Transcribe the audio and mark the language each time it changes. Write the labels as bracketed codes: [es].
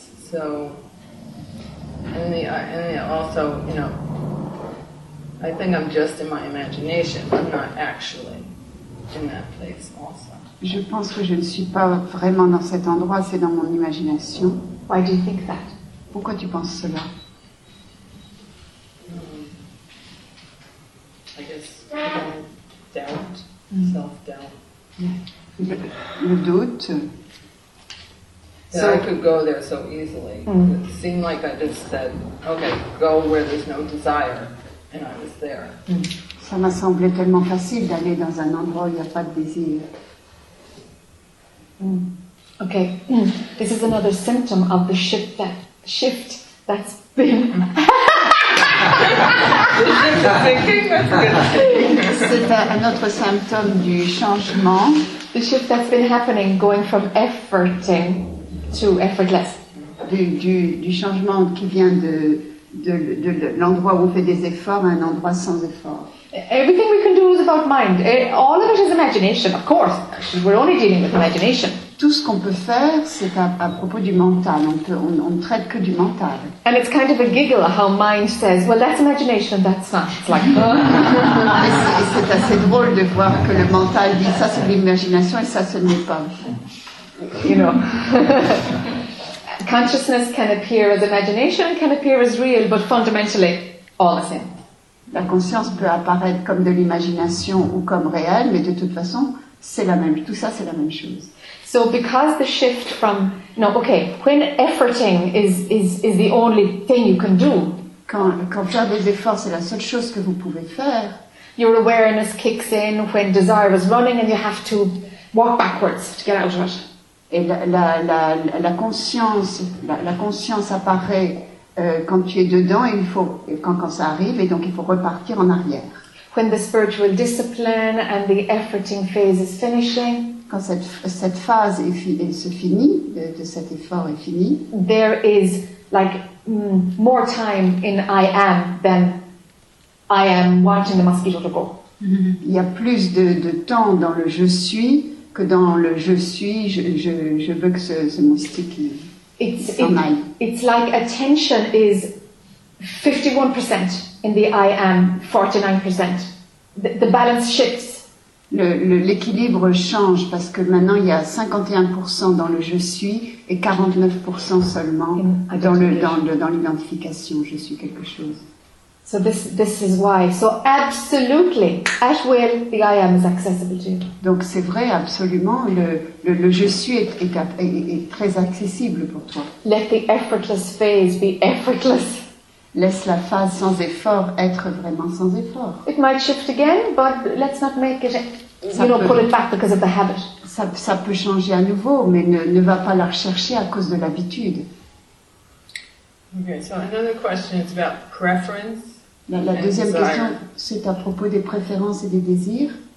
[en] So, and also, you know, I think I'm just in my imagination, I'm not actually in that place also. [fr] Je pense que je ne suis pas vraiment dans cet endroit, c'est dans mon imagination. [en] Why do you think that? [fr] Pourquoi tu penses cela? [en] I guess doubt. Self-doubt. [fr] Le doute. [en] That I could go there so easily. It seemed like I just said, okay, go where there's no desire, and I was there. [fr] Ça m'a semblé tellement facile d'aller dans un endroit où il n'y a pas de désir. [en] Okay, this is another symptom of the shift that's been. [fr] C'est un autre symptôme du changement. [en] The shift that's been happening, going from efforting to effortless. [fr] Du changement qui vient de l'endroit où on fait des efforts à un endroit sans effort. [en] Everything we can do is about mind. All of it is imagination, of course. We're only dealing with imagination. [fr] Tout ce qu'on peut faire, c'est à propos du mental. On ne traite que du mental. [en] And it's kind of a giggle how mind says, well, that's imagination, that's not. It's like, oh. [fr] C'est assez drôle de voir que le mental dit, ça c'est l'imagination et ça ce n'est pas. [en] You know. Consciousness can appear as imagination, can appear as real, but fundamentally, all the same. [fr] La conscience peut apparaître comme de l'imagination ou comme réel, mais de toute façon, c'est la même. Tout ça, c'est la même chose. [en] So because the shift from when efforting is the only thing you can do, [fr] quand faire des efforts c'est la seule chose que vous pouvez faire, [en] your awareness kicks in when desire is running and you have to walk backwards to get out of it. [fr] Et la conscience apparaît quand tu es dedans, il faut quand ça arrive et donc il faut repartir en arrière. [en] When the spiritual discipline and the efforting phase is finishing. [fr] Quand cette phase se finit, de cet effort est fini. [en] There is like more time in I am than I am wanting the mosquito to go. [fr] Il y a plus de temps dans le je suis que dans le je suis, je veux que ce moustique s'en aille. [en] It's like attention is 51% in the I am, 49%. The balance shifts. [fr] L'équilibre change parce que maintenant il y a 51% dans le je suis et 49% seulement dans l'identification je suis quelque chose. [en] So this is why. So absolutely, at will, the I am is accessible to you. [fr] Donc c'est vrai, absolument, le je suis est très accessible pour toi. [en] Let the effortless phase be effortless. [fr] Laisse la phase sans effort être vraiment sans effort. [en] It might shift again, but let's not make it. Pull it back because of the habit. [fr] Ça peut changer à nouveau, mais ne va pas la rechercher à cause de l'habitude. [en] Okay, so another question is about preference. [fr] La deuxième question, c'est à propos des préférences et des désirs.